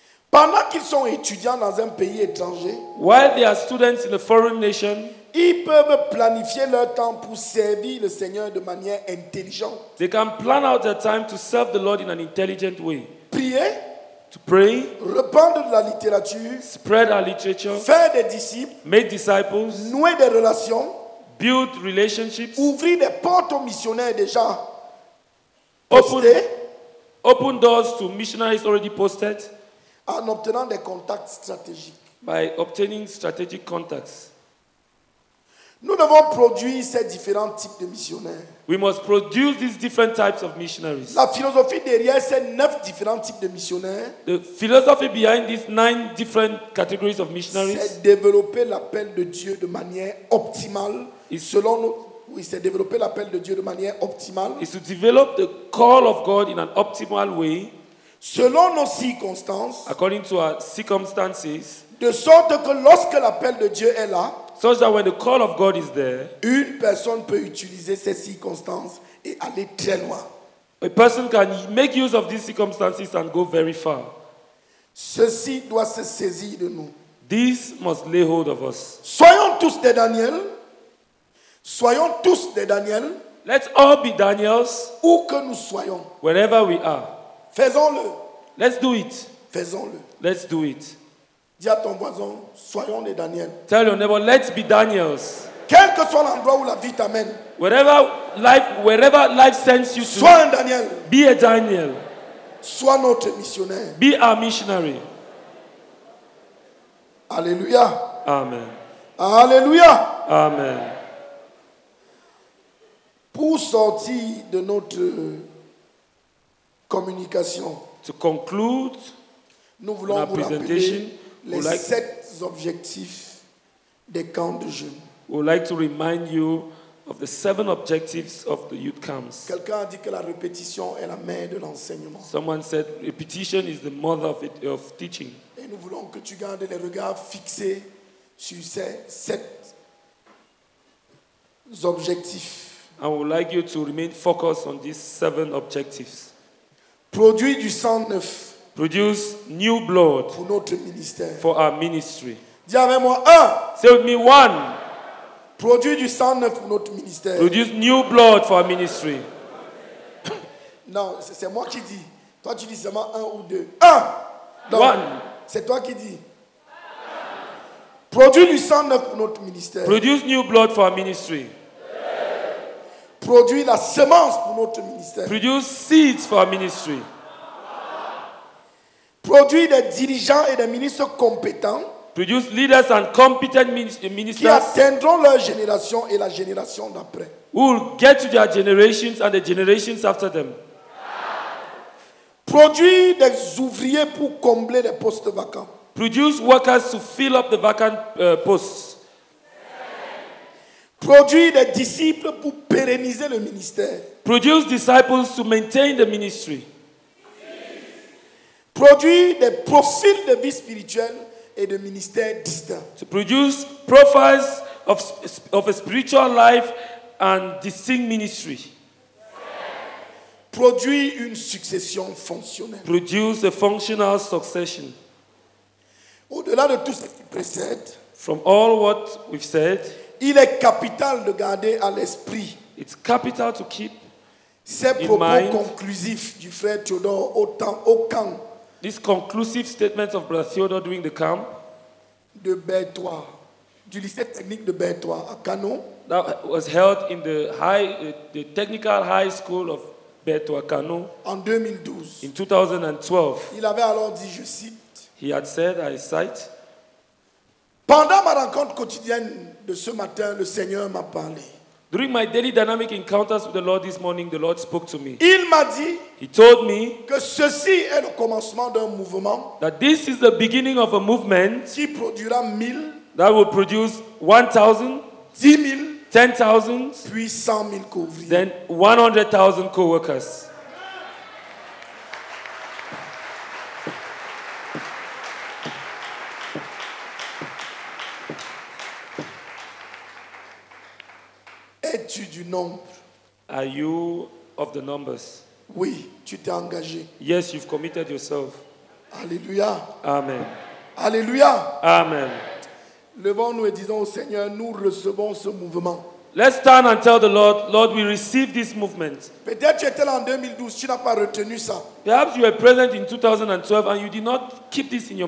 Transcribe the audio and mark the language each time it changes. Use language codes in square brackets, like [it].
[fr] Pendant qu'ils sont étudiants dans un pays étranger, [en] while they are students in a foreign nation, [fr] ils peuvent planifier leur temps pour servir le Seigneur de manière intelligente. [en] They can plan out their time to serve the Lord in an intelligent way. [fr] Prier. [en] To pray. [fr] Répandre de la littérature. [en] Spread our literature. [fr] Faire des disciples. [en] Make disciples. [fr] Nouer des relations. [en] Build relationships. [fr] Ouvrir des portes aux missionnaires déjà postés. [en] Open doors to missionaries already posted. [fr] En obtenant des contacts stratégiques. [en] By obtaining strategic contacts. [fr] Nous devons produire ces différents types de missionnaires. [en] We must produce these different types of missionaries. [fr] La philosophie derrière ces 9 différents types de missionnaires. [en] The philosophy behind these 9 different categories of missionaries. [fr] C'est développer l'appel de Dieu de manière optimale. C'est développer l'appel de Dieu de manière optimale. [en] Is to develop the call of God in an optimal way. [fr] Selon nos circonstances. [en] According to our circumstances. [fr] De sorte que lorsque l'appel de Dieu est là. [en] Such that when the call of God is there. [fr] Une personne peut utiliser ces circonstances et aller très loin. [en] A person can make use of these circumstances and go very far. [fr] Ceci doit se saisir de nous. [en] This must lay hold of us. [fr] Soyons tous des Daniel. Soyons tous des Daniel. [en] Let's all be Daniels. [fr] Où que nous soyons. [en] Wherever we are. [fr] Faisons-le. [en] Let's do it. [fr] Faisons-le. [en] Let's do it. [fr] Dis à ton voisin, soyons des Daniel. [en] Tell your neighbor, let's be Daniels. [fr] Quel que soit l'endroit où la vie t'amène. [en] Wherever life sends you to. [fr] Sois un Daniel. [en] Be a Daniel. [fr] Sois notre missionnaire. [en] Be a missionary. [fr] Alléluia. [en] Amen. [fr] Alléluia. [en] Amen. [fr] Pour sortir de notre communication. [en] To conclude, [fr] nous voulons vous rappeler les sept objectifs des camps de jeûne. [en] We would like to remind you of the seven objectives of the youth camps. [fr] Quelqu'un a dit que la répétition est la mère de l'enseignement. [en] Someone said repetition is the mother of it, of teaching. [fr] Et nous voulons que tu gardes les regards fixés sur ces sept objectifs. [en] I would like you to remain focused on these seven objectives. [fr] Produit du sang neuf. [en] Produce new blood. [fr] Pour notre ministère. [en] For our ministry. [fr] Dis avec moi un. [en] Say with me one. [fr] Produit du sang neuf pour notre ministère. [en] Produce new blood for our ministry. [fr] Non, c'est moi qui dis. Toi, tu dis seulement un ou deux. Un. Donc, [en] one. [fr] C'est toi qui dis. Produit du sang neuf pour notre ministère. [en] Produce new blood for our ministry. [fr] Produit la semence pour notre ministère. [en] Produce seeds for our ministry. [fr] Produit des dirigeants et des ministres compétents. [en] Produce leaders and competent ministers [fr] qui atteindront leur génération et la génération d'après. [en] Who will get to their generations and the generations after them. [fr] Produit des ouvriers pour combler les postes vacants. [en] Produce workers to fill up the vacant posts. [fr] Produit des disciples pour pérenniser le ministère. [en] Produce disciples to maintain the ministry. [fr] Produit des profils de vie spirituelle et de ministère distinct. [en] To produce profiles of a spiritual life and distinct ministry. [fr] Produit une succession fonctionnelle. [en] Produce a functional succession. [fr] Au-delà de tout ce qui précède. [en] From all what we've said. [fr] Il est capital de garder à l'esprit. [en] It's capital to keep [fr] ces propos conclusifs du frère Théodore au camp. [en] This conclusive statement of Brother Theodore during the camp [fr] de Bertoua, du lycée technique de Bertoua à Kano, [en] that was held in the technical high school of Bertoua Kano [fr] en 2012. [en] In 2012. [fr] Il avait alors dit, je cite, [en] he had said, I cite, [fr] pendant ma rencontre quotidienne de ce matin, le Seigneur m'a parlé. [en] During my daily dynamic encounters with the Lord this morning, the Lord spoke to me. [fr] Il m'a dit, [en] he told me, [fr] que ceci est le commencement d'un mouvement, [en] that this is the beginning of a movement, [fr] qui produira 1000, [en] that will produce 1,000, [fr] 10,000, [en] 10,000, [fr] puis 100,000 co-ouvriers, [en] then 100,000 co-workers. [fr] Es-tu du nombre? [en] Are you of the numbers? [fr] Oui, tu t'es engagé. [en] Yes, you've committed yourself. [fr] Alléluia. [en] Amen. [fr] Alléluia. [en] Amen. [fr] Levons-nous et disons au Seigneur, nous recevons ce mouvement. [en] Let's stand and tell the Lord, Lord, we receive this movement. [fr] Peut-être tu étais là en 2012, tu n'as pas retenu ça. [en] Perhaps you were present in 2012 and you did not keep this in your